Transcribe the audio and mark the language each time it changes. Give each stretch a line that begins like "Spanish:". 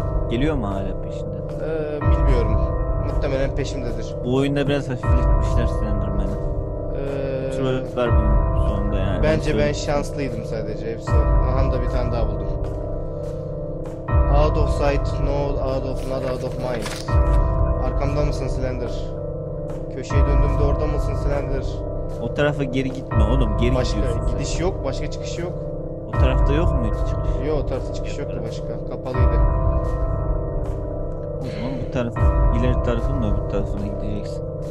Turkish: Geliyor mu hala peşinde? Bilmiyorum. Muhtemelen peşimdedir. Bu oyunda biraz hafifletmişler Slenderman'ı. Trollükler bunun sonunda yani. Bence ben şanslıydım sadece hepsi. Aha da bir tane daha buldum.
English: Out of sight, no out of, not out of mind.
Turkish: Arkamda mısın Slender? Köşeye döndüğümde orada mısın Slender? O tarafa geri gitme oğlum, geri başka gidiyorsun. Başka gidiş yok, başka çıkış yok. O tarafta yok muydu çıkış? Yok, o tarafta çıkış yoktu başka, kapalıydı. O zaman bu taraf, ileri tarafın mı öbür tarafına gideceksin?